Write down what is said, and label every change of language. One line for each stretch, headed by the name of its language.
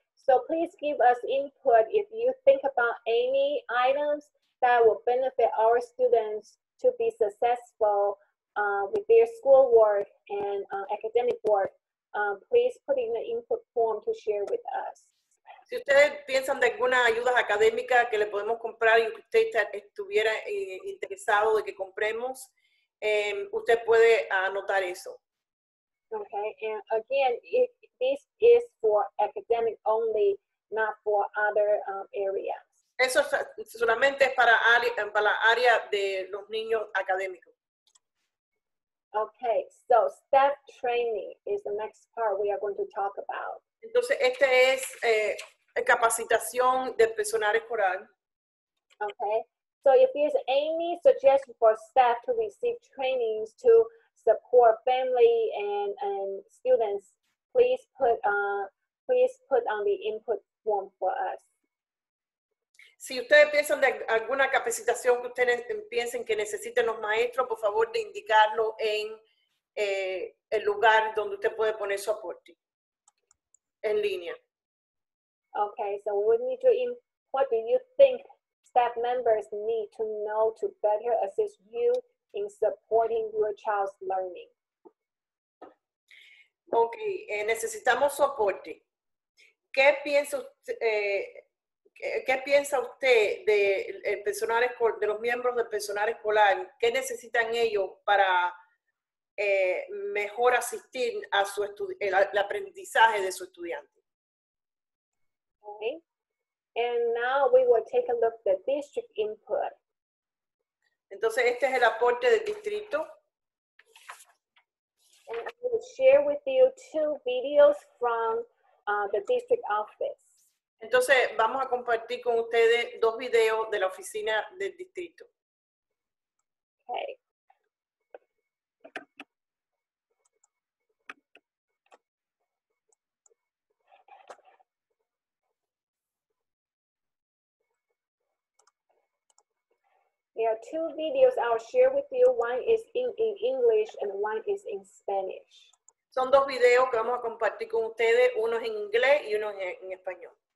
English: So please give us input if you think about any items that will benefit our students to be successful with their schoolwork and academic work. Please put in the input form to share with us.
Spanish: Si ustedes piensan de alguna ayuda académica que le podemos comprar y que usted estuviera interesado de que compremos, usted puede anotar eso.
English: Okay, and again, this is for academic only, not for other areas.
Spanish: Eso solamente es para la área de los niños académicos.
English: Okay, so staff training is the next part we are going to talk about.
Spanish: Entonces, este es capacitación del personal escolar.
English: Okay, so if there's any suggestion for staff to receive trainings to support family and students, please put on the input form for us.
Spanish: Si ustedes piensan de alguna capacitación que ustedes piensen que necesiten los maestros, por favor, de indicarlo en el lugar donde usted puede poner su aporte, en línea.
English: Okay, so we need to input, what do you think staff members need to know to better assist you in supporting your child's learning?
Spanish: Ok, necesitamos soporte. ¿Qué piensa usted, de los miembros del personal escolar? ¿Qué necesitan ellos para mejor asistir a su el aprendizaje de su estudiante? Ok.
English: And now we will take a look at the district input.
Spanish: Entonces, este es el aporte del distrito.
English: And I will share with you two videos from the district office.
Spanish: Entonces, vamos a compartir con ustedes dos videos de la oficina del distrito. Okay.
English: There are two videos I'll share with you. One is in English and one is in Spanish.
Spanish: Son dos videos que vamos a compartir con ustedes. Uno es en inglés y uno es en español.